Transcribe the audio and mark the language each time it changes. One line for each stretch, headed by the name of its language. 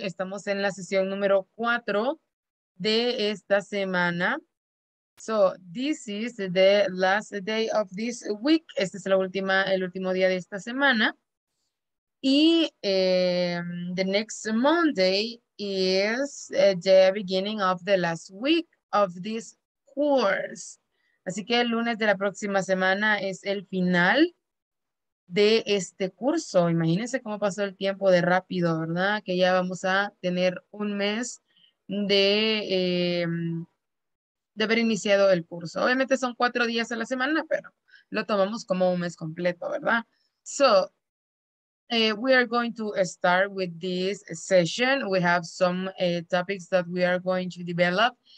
Spanish: Estamos en la sesión número 4 de esta semana.
English: So, this is the last day of this week.
Spanish: Este es el último día de esta semana. Y
English: the next Monday is the beginning of the last week of this course.
Spanish: Así que el lunes de la próxima semana es el final de este curso. Imagínense cómo pasó el tiempo de rápido, ¿verdad? Que ya vamos a tener un mes de haber iniciado el curso. Obviamente son 4 días a la semana, pero lo tomamos como un mes completo, ¿verdad?
English: So, we are going to start with this session. We have some topics that we are going to develop.